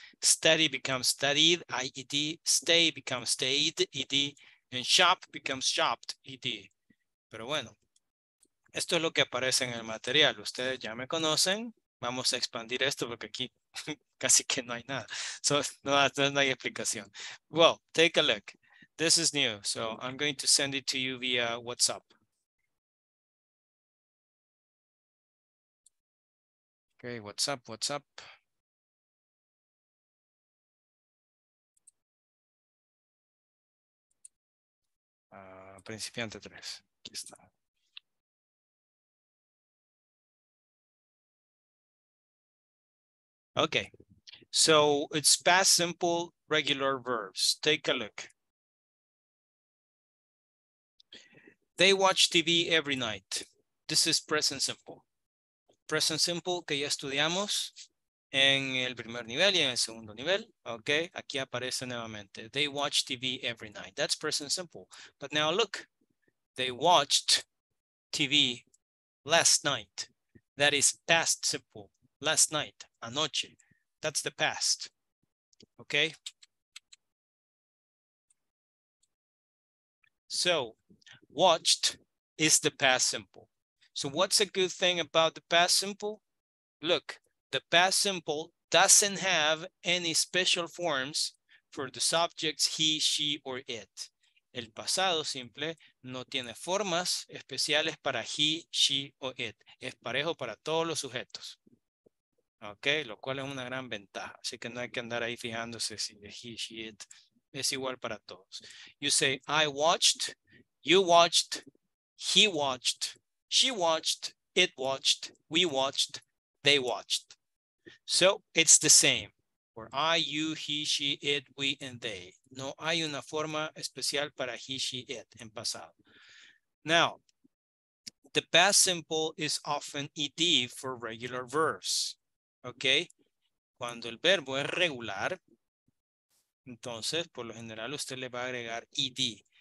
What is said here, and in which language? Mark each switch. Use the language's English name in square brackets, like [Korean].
[English] Study becomes studied. IED stay becomes stayed. ED and shop becomes shopped. ED. [Spanish] Pero bueno. Esto es lo que aparece en el material. Ustedes ya me conocen. Vamos a expandir esto porque aquí casi que no hay nada. [English] So, [Spanish] no hay explicación. [English] Well, take a look. This is new. So I'm going to send it to you via WhatsApp. Okay, WhatsApp, WhatsApp. [Spanish] Principiante 3. Aquí está. [English] Okay, so it's past simple regular verbs. Take a look. They watch TV every night. This is present simple. [Spanish] Present simple que ya estudiamos en el primer nivel y en el segundo nivel. [English] Okay, [Spanish] aquí aparece nuevamente. [English] They watch TV every night. That's present simple. But now look, they watched TV last night. That is past simple. Last night, anoche. That's the past, okay? So, watched is the past simple. So what's a good thing about the past simple? Look, the past simple doesn't have any special forms for the subjects he, she, or it. [Spanish] El pasado simple no tiene formas especiales para he, she, or it. Es parejo para todos los sujetos. Ok, lo cual es una gran ventaja. Así que no hay que andar ahí fijándose si es he, she, it. Es igual para todos. [English] You say, I watched, you watched, he watched, she watched, it watched, we watched, they watched. So, it's the same. For I, you, he, she, it, we, and they. [Spanish] No hay una forma especial para he, she, it en pasado. [English] Now, the past simple is often ed for regular verbs. Okay, [Spanish] cuando el verbo es regular, Entonces, por lo general, usted le va a agregar ed.